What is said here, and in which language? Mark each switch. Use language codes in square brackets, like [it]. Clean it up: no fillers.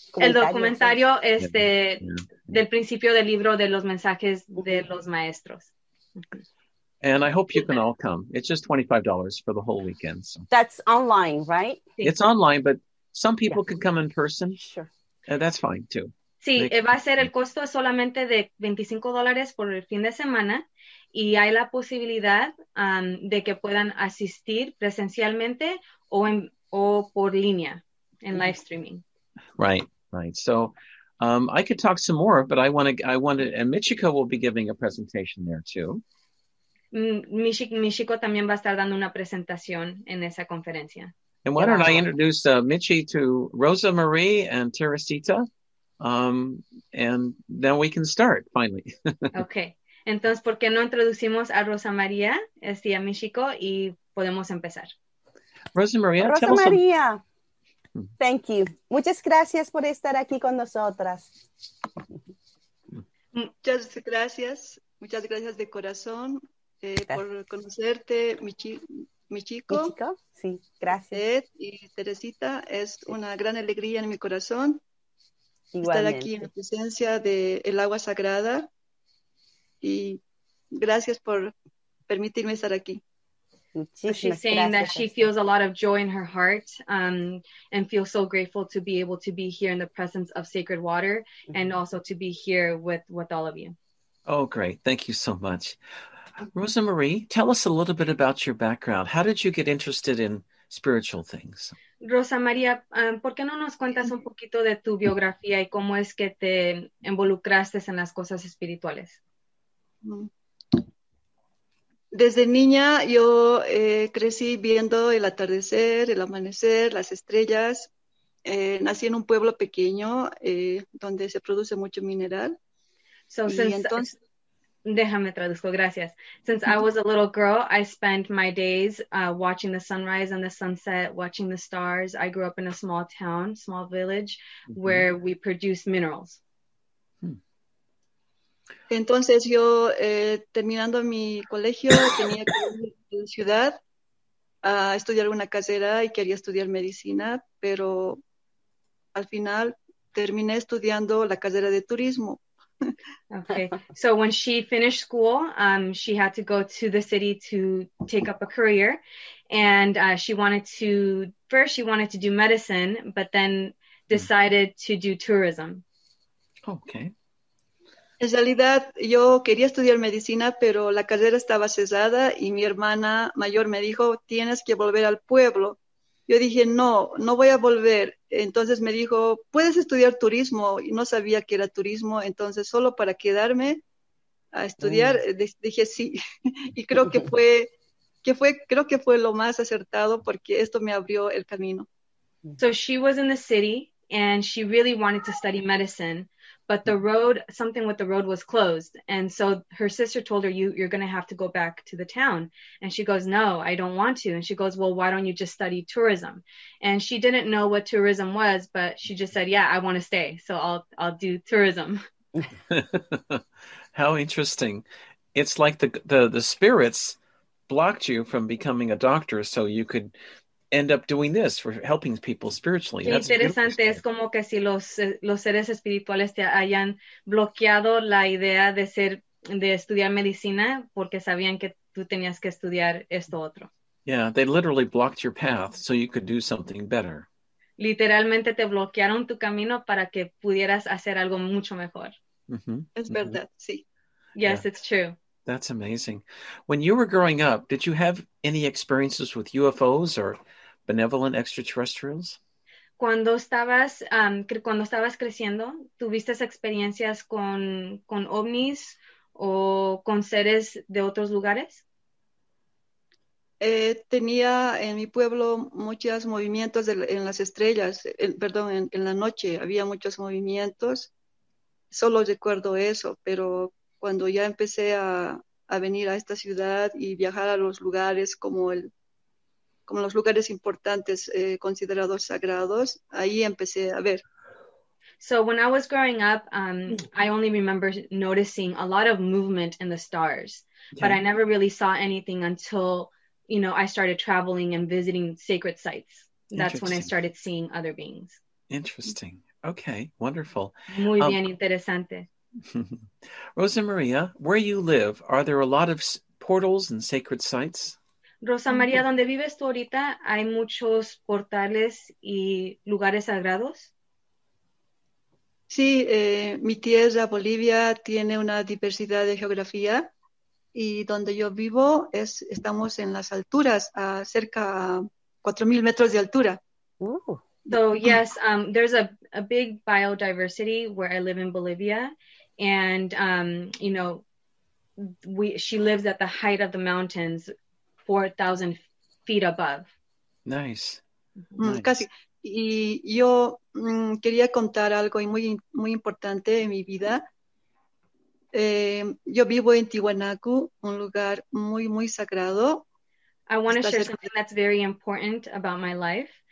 [es] El documentario del principio del libro de los mensajes de los maestros. [en] And I hope you can all come. It's just $25 for the whole weekend. So. That's online, right? It's online, but some people can come in person. Sure. That's fine, too. [es] Sí, va a ser el costo solamente de $25 por el fin de semana. Y hay la posibilidad de que puedan asistir presencialmente o por línea en live streaming. [en] Right. Right. So I could talk some more, but I want to, and Michiko will be giving a presentation there too. [es] Michiko también va a estar dando una presentación en esa conferencia. [en] And why don't I introduce Michi to Rosa Marie and Teresita, and then we can start finally. Okay. [es] Entonces, ¿por qué no introducimos a Rosa María, a Michiko, y podemos empezar? Rosa María. [en] Thank you. [es] Muchas gracias por estar aquí con nosotras. Muchas gracias de corazón por conocerte, Michiko. Michiko, sí, gracias. Ed y Teresita, es una gran alegría en mi corazón. Igualmente. Estar aquí en la presencia del agua sagrada. Y gracias por permitirme estar aquí. [en] So she's saying that she feels a lot of joy in her heart and feels so grateful to be able to be here in the presence of sacred water and also to be here with all of you. Oh, great. Thank you so much. Rosa Marie, tell us a little bit about your background. How did you get interested in spiritual things? [es] Rosa María, ¿por qué no nos cuentas un poquito de tu biografía y cómo es que te involucraste en las cosas espirituales? Desde niña yo crecí viendo el atardecer, el amanecer, las estrellas. Nací en un pueblo pequeño donde se produce mucho mineral. Déjame traduzco, gracias. [en] Since I was a little girl, I spent my days watching the sunrise and the sunset, watching the stars. I grew up in a small town, small village, where we produce minerals. [es] Entonces yo, terminando mi colegio, tenía que ir a la ciudad a estudiar una carrera y quería estudiar medicina, pero al final terminé estudiando la carrera de turismo. [en] Okay, so when she finished school, she had to go to the city to take up a career, and she wanted to do medicine, but then decided to do tourism. Okay. [es] En realidad, yo quería estudiar medicina, pero la carrera estaba cesada y mi hermana mayor me dijo, tienes que volver al pueblo. Yo dije, no, no voy a volver. Entonces me dijo, puedes estudiar turismo. Y no sabía que era turismo, entonces solo para quedarme a estudiar, dije sí. Y creo que fue, creo que fue lo más acertado porque esto me abrió el camino. [en] So she was in the city and she really wanted to study medicine. But the road, something with the road was closed. And so her sister told her, you're going to have to go back to the town. And she goes, no, I don't want to. And she goes, well, why don't you just study tourism? And she didn't know what tourism was, but she just said, yeah, I want to stay. So I'll do tourism. How interesting. It's like the spirits blocked you from becoming a doctor so you could end up doing this for helping people spiritually. [es] Qué interesante. Es como que si los seres espirituales te hayan bloqueado la idea de ser de estudiar medicina porque sabían que tú tenías que estudiar esto otro. [en] Yeah, they literally blocked your path so you could do something better. [es] Literalmente te bloquearon tu camino para que pudieras hacer algo mucho mejor. Mm-hmm. Es verdad, mm-hmm. Sí. [en] Yes, yeah. It's true. That's amazing. When you were growing up, did you have any experiences with UFOs or benevolent extraterrestrials? [es] Cuando estabas creciendo, ¿tuviste experiencias con ovnis o con seres de otros lugares? Tenía en mi pueblo muchos movimientos en las estrellas, en la noche había muchos movimientos. Solo recuerdo eso, pero cuando ya empecé a venir a esta ciudad y viajar a los lugares como los lugares importantes considerados sagrados, ahí empecé a ver. [en] So when I was growing up, I only remember noticing a lot of movement in the stars, but I never really saw anything until, you know, I started traveling and visiting sacred sites. That's when I started seeing other beings. Interesting. Okay, wonderful. [es] Muy bien, interesante. [en] Rosa Maria, where you live, are there a lot of portals and sacred sites? [es] Rosa Maria, ¿donde vives tú ahorita? ¿Hay muchos portales y lugares sagrados? Sí, mi tierra, Bolivia, tiene una diversidad de geografía. Y donde yo vivo, estamos en las alturas, a cerca de 4,000 metros de altura. [en] Ooh. So, yes, there's a big biodiversity where I live in Bolivia. And, you know, she lives at the height of the mountains, 4,000 feet above. Nice. [es] Casi. Y yo quería contar algo muy, muy importante en mi vida. Yo vivo en Tiwanaku, un lugar muy, muy sagrado. [en] I want to share something that's very important about my life.